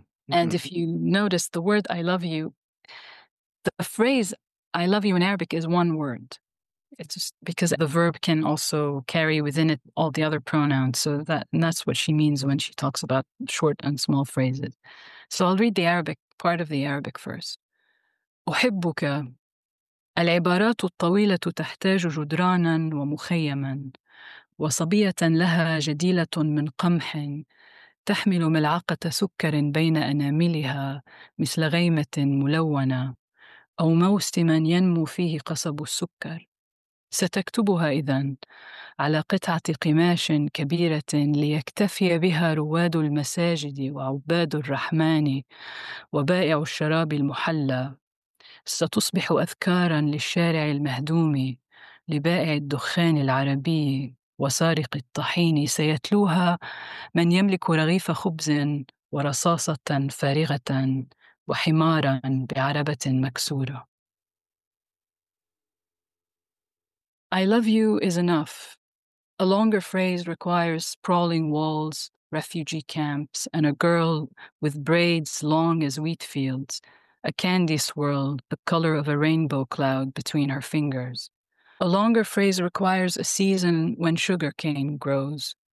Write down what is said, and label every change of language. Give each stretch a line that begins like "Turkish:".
English: And if you notice the word I love you, the phrase I love you in Arabic is one word. It's just because the verb can also carry within it all the other pronouns. So that's what she means when she talks about short and small phrases. So I'll read the Arabic, part of the Arabic first.
Arabic: أحبك العبارات الطويلة تحتاج جدرانا ومخيما وصبية لها جديلة من قمح تحمل ملعقة سكر بين أناملها مثل غيمة ملونة أو موسما ينمو فيه قصب السكر. ستكتبها إذن على قطعة قماش كبيرة ليكتفي بها رواد المساجد وعباد الرحمن وبائع الشراب المحلى ستصبح أذكارا للشارع المهدوم لبائع الدخان العربي وسارق الطحين سيتلوها من يملك رغيف خبز ورصاصة فارغة وحمارا بعربة مكسورة.
English: I love you is enough. A longer phrase requires sprawling walls, refugee camps, and a girl with braids long as wheat fields, a candy swirl the color of a rainbow cloud between her fingers. A longer phrase requires a season when sugarcane grows.